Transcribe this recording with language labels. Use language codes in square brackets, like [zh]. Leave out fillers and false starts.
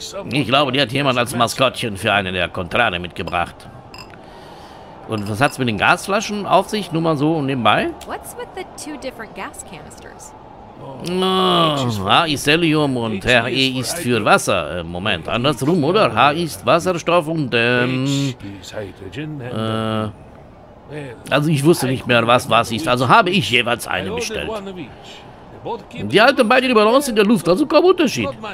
[de] Ich glaube, die hat jemand als Maskottchen für eine der Contrade mitgebracht. Und was hat's mit den Gasflaschen auf sich? Nur mal so nebenbei? [en] What's with the two different gas canisters? [de] Oh, H ist Helium und H E ist für Wasser. Moment, andersrum, oder? H ist Wasserstoff und also ich wusste nicht mehr, was was ist. Also habe ich jeweils eine bestellt. Die halten beide die Balance in der Luft, also kaum Unterschied.